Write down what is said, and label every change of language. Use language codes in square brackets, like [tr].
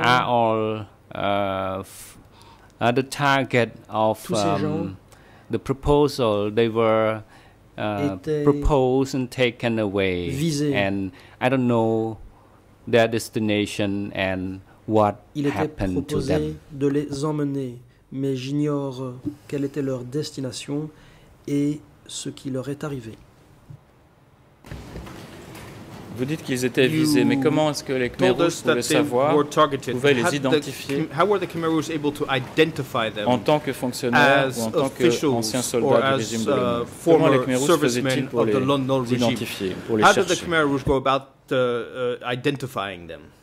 [en] are all are the target of the proposal. They were proposed and taken away, [fr] visés. [en] And I don't know their destination and what happened to them. [fr] Il était proposé de les emmener, mais j'ignore quelle était leur destination et ce qui leur est arrivé. Vous dites qu'ils étaient visés, mais comment est-ce que les Khmer Rouges pouvaient savoir, pouvaient les identifier? [en] How were the Khmer Rouges able to identify them? [fr] En tant que fonctionnaires ou en tant qu'anciens soldats du régime de Lon Nol? Comment les Khmer Rouges faisaient-ils pour les identifier, pour les chercher? [en] How did the Khmer Rouge go about identifying them?